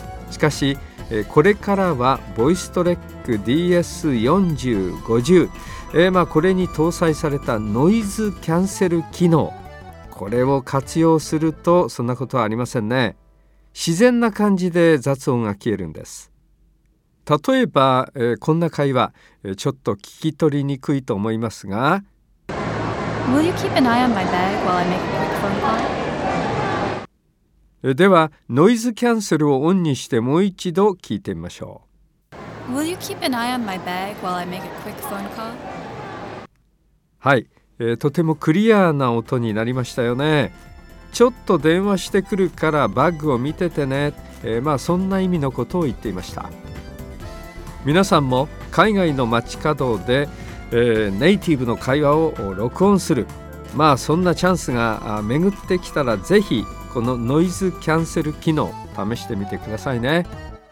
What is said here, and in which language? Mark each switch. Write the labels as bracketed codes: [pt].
[ja] しかし、これからはボイストレック DS4050、まあこれに搭載されたノイズキャンセル機能、これを活用するとそんなことはありませんね。自然な感じで雑音が消えるんです。例えば、こんな会話、ちょっと聞き取りにくいと思いますが、 [en] Will you keep an eye on my bag while I make a quick phone call? [ja] では、ノイズキャンセルをオンにしてもう一度聞いてみましょう。 [en] Will you keep an eye on my bag while I make a quick phone call? [ja] はい、とてもクリアーな音になりましたよね。ちょっと電話してくるからバッグを見ててね、そんな意味のことを言っていました。皆さんも海外の街角で、ネイティブの会話を録音する、そんなチャンスが巡ってきたら、ぜひこのノイズキャンセル機能試してみてくださいね。